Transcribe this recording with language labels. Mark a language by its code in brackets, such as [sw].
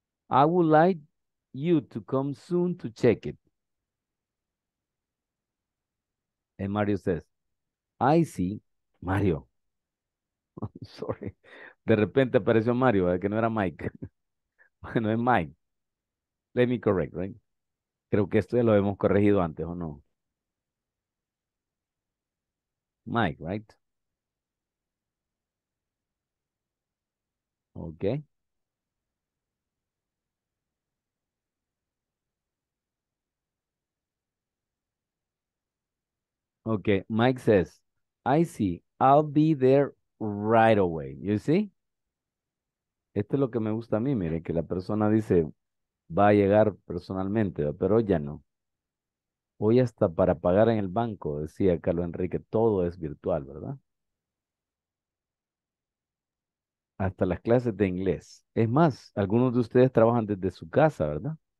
[en] I would like you to come soon to check it. And Mario says, I see, Mario. I'm sorry. [es] De repente apareció Mario, ¿eh? Que no era Mike. Bueno, es Mike. [en] Let me correct, right? [es] Creo que esto ya lo hemos corregido antes, ¿o no? [en] Mike, right? Okay. Okay, Mike says, I see, I'll be there right away. You see? [es] Esto es lo que me gusta a mí, mire, que la persona dice, va a llegar personalmente, pero ya no. Hoy hasta para pagar en el banco, decía Carlos Enrique, todo es virtual, ¿verdad? Hasta las clases de inglés. Es más, algunos de ustedes trabajan desde su casa, ¿verdad?